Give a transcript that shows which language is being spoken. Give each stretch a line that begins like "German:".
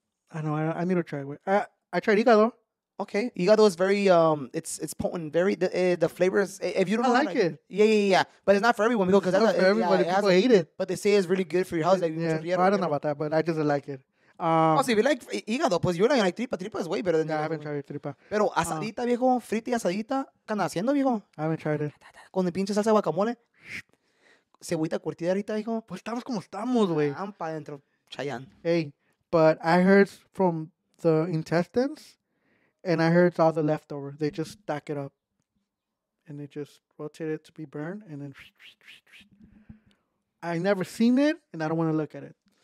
English: I know. I need to try it. I tried hígado. Okay, hígado is very it's potent. Very the flavors. If you don't I like it. Yeah. But it's not for everyone. Because it's not for everyone. Yeah, people hate it. But they say it's really good for your health. Like, yeah. Well, I don't know about that, but I just like it. Oh, so if you like hígado, pues you're not gonna like tripa. Tripa is way better than. Yeah, I haven't tried tripa.
Spanish: Pero asadita, viejo, frita y asadita, ¿qué andas haciendo, viejo?
English: I haven't tried it.
Spanish: Con el pinche salsa de guacamole, cebollita curtida ahorita, viejo. Pues estamos como estamos, güey. Ampa adentro, Chayán.
English: Hey, but I heard from the intestines, and I heard all the leftover. They just stack it up, and they just rotate it to be burned, and then. I never seen it, and I don't want to look at it.